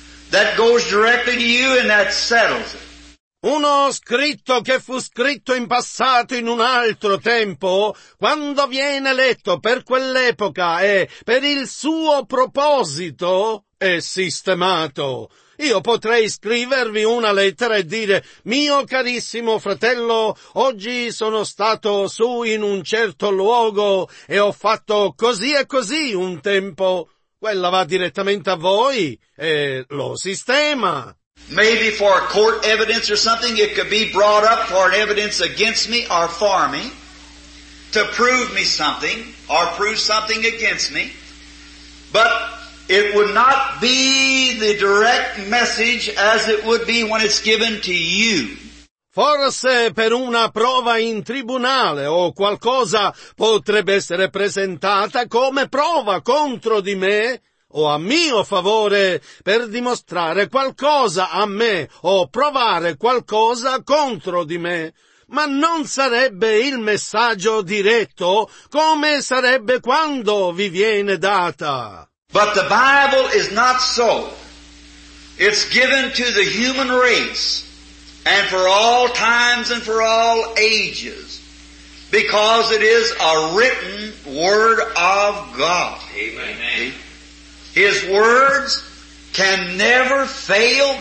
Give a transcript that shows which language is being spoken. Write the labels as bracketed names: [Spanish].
[English] That goes directly to you and that settles it. [Italian] Uno scritto che fu scritto in passato in un altro tempo, quando viene letto per quell'epoca e per il suo proposito, è sistemato. Io potrei scrivervi una lettera e dire, mio carissimo fratello, oggi sono stato su in un certo luogo e ho fatto così e così un tempo. Quella va direttamente a voi e lo sistema. [English] Maybe for a court evidence or something, it could be brought up for an evidence against me or for me, to prove me something or prove something against me, but it would not be the direct message as it would be when it's given to you. [Italian] Forse per una prova in tribunale o qualcosa potrebbe essere presentata come prova contro di me o a mio favore per dimostrare qualcosa a me o provare qualcosa contro di me. Ma non sarebbe il messaggio diretto come sarebbe quando vi viene data. [English] But the Bible is not so. It's given to the human race and for all times and for all ages because it is a written word of God. Amen. His words can never fail.